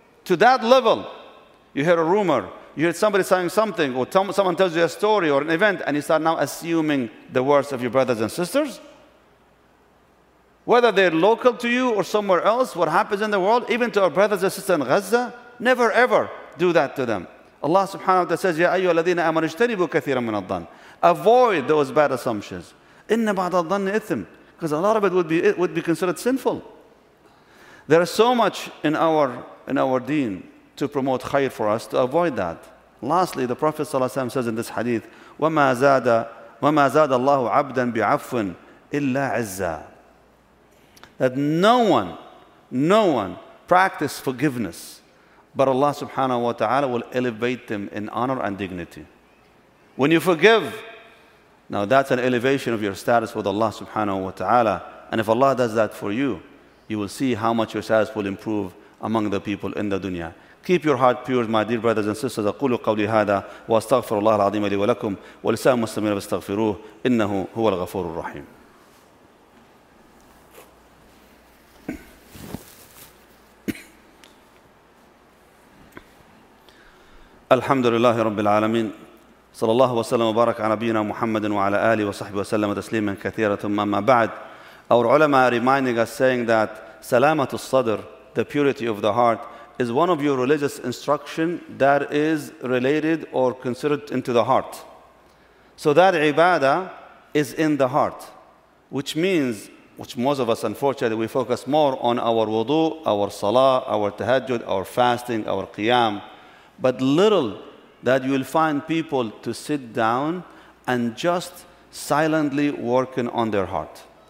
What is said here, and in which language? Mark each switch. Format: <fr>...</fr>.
<en>To that level, you hear a rumor, you hear somebody saying something, or someone tells you a story or an event, and you start now assuming the worst of your brothers and sisters. Whether they're local to you or somewhere else, what happens in the world, even to our brothers and sisters in Gaza, never ever do that to them. Allah subhanahu wa ta'ala says,</en> <ar>يَا أَيُّهَا الَّذِينَ آمَنُوا اجْتَنِبُوا كَثِيرًا مِنَ الظَّنِّ.</ar> <en>Avoid those bad assumptions.</en> <ar>إِنَّ بَعْضَ الظَّنِّ إِثْمٌ.</ar> <en>Because a lot of it would be considered sinful. There is so much in our deen to promote khayr for us, to avoid that. Lastly, the Prophet ﷺ says in this hadith,</en> <ar>وَمَا زَادَ اللَّهُ عَبْدًا بِعَفْوٍ إِلَّا عِزَّا.</ar> <en>That no one practice forgiveness, but Allah subhanahu wa ta'ala will elevate them in honor and dignity. When you forgive, now that's an elevation of your status with Allah subhanahu wa ta'ala. And if Allah does that for you, you will see how much your status will improve among the people in the dunya. Keep your heart pure, my dear brothers and sisters.</en> <ar>أقول قولي هذا وأستغفر الله العظيم لي ولكم ولسان المسلمين فاستغفروه إنه هو الغفور الرحيم. الحمد لله رب العالمين صلى الله وسلم وبارك على نبينا محمد وعلى آله وصحبه وسلم تسليما كثيرا. ثم ما بعد,</ar> <en>our ulama reminding us saying that</en> <ar>سلامة الصدر,</ar> <en>the purity of the heart, is one of your religious instruction that is related or considered into the heart. So that ibadah is in the heart, which means, which most of us unfortunately, we focus more on our wudu, our salah, our tahajjud, our fasting, our qiyam, but little that you will find people to sit down and just silently working on their heart</en>